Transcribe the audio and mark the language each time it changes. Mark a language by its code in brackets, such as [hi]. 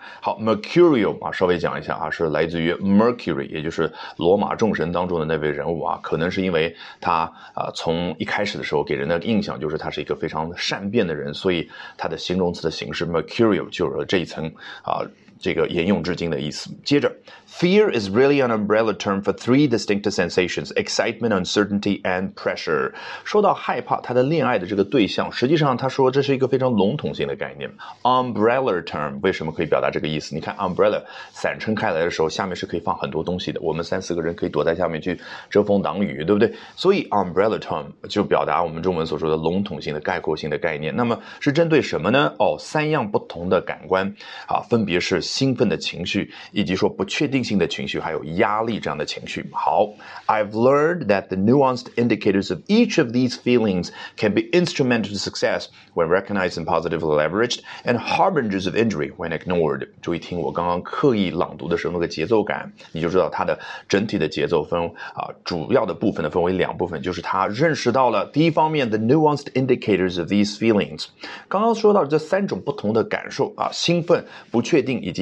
[zh] 好， mercurial 啊，稍微讲一下啊，是来自于 mercury， 也就是罗马众神当中的那位人物啊，可能是因为他从一开始的时候给人的印象就是他是一个非常善变的人，所以他的形容词的形式 mercurial 就是这一层啊这个沿用至今的意思。 [en] 接着 Fear is really an umbrella term for three distinct sensations: excitement, uncertainty, and pressure. [zh] 说到害怕，他的恋爱的这个对象，实际上他说这是一个非常笼统性的概念。 Umbrella term 为什么可以表达这个意思？你看 Umbrella 散撑开来的时候下面是可以放很多东西的，我们三四个人可以躲在下面去遮风挡雨，对不对？所以 Umbrella term 就表达我们中文所说的笼统性的概括性的概念。那么是针对什么呢？哦，三样不同的感官啊，分别是兴奋的情绪，以及说不确定性的情绪，还有压力这样的情绪。 [en] 好， I've learned that the nuanced indicators of each of these feelings can be instrumental to success when recognized and positively leveraged, and harbingers of injury when ignored. [zh] 注意听我刚刚刻意朗读的时候那个节奏感，你就知道它的整体的节奏分、啊、主要的部分呢分为两部分，就是他认识到了第一方面 [en] the nuanced indicators of these feelings， [zh] 刚刚说到这三种不同的感受、啊、兴奋、不确定以及